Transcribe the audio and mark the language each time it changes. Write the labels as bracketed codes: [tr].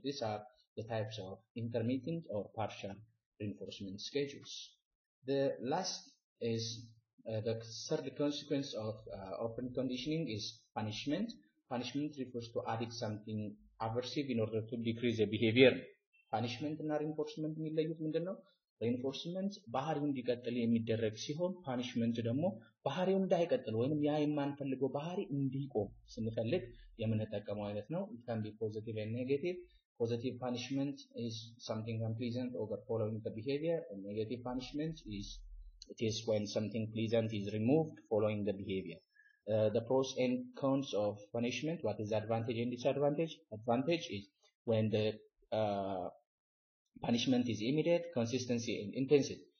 [en] These are the types of intermittent or partial reinforcement schedules. The last is the third consequence of open conditioning is punishment. Punishment refers to adding something aversive in order to decrease a behavior. [am] punishment እና reinforcement የሚለዩት ምንድነው? reinforcement ባህሪው እንዲቀጥል የሚደረግ ሲሆን punishment ደግሞ ባህሪው እንዳይቀጥል ወይንም ያ የማንፈልገው ባህሪ እንዲቆም ስንፈልግ የምንጠቀመው አይነት ነው። [en] it can be positive and negative. positive punishment is something unpleasant over following the behavior, and negative punishment is it is when something pleasant is removed following the behavior. The pros and cons of punishment, what is advantage and disadvantage? Advantage is when the punishment is immediate, consistency and intensity.